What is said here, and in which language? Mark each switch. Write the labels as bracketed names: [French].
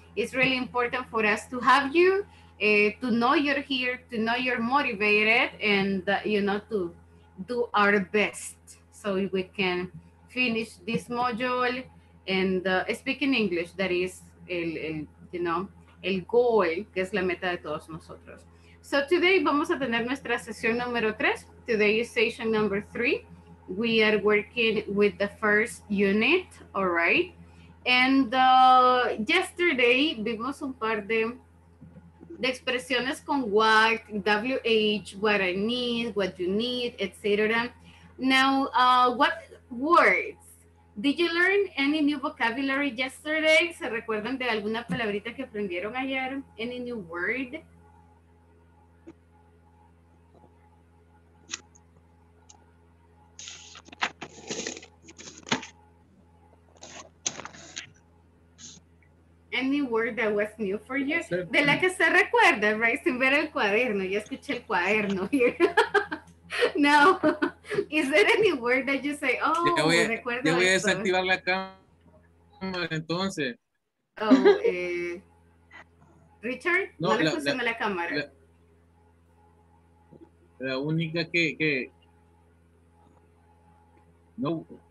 [English] It's really important for us to have you. To know you're here, to know you're motivated, and you know, to do our best so we can finish this module and speaking English, that is el you know, el goal, [Spanish] que es la meta de todos nosotros. [English] So today [Spanish] vamos a tener nuestra sesión número 3. [English] Today is session number 3. We are working with the first unit, all right? And yesterday [Spanish] vimos un par de expresiones con [English] what, WH, what I need, what you need, etc. Now, what words? Did you learn any new vocabulary yesterday? [Spanish] ¿Se recuerdan de alguna palabrita que aprendieron ayer? [English] Any new word? Any word that was new for you? Certainly. [Spanish] De la que se recuerda, [English] right? [Spanish] Sin ver el cuaderno. Ya escuché el cuaderno here. No. Is there any word that you say, oh, me recuerdo esto? Yo voy a desactivar la cámara entonces. Oh, Richard, no, no le funciona la cámara. La única que... No...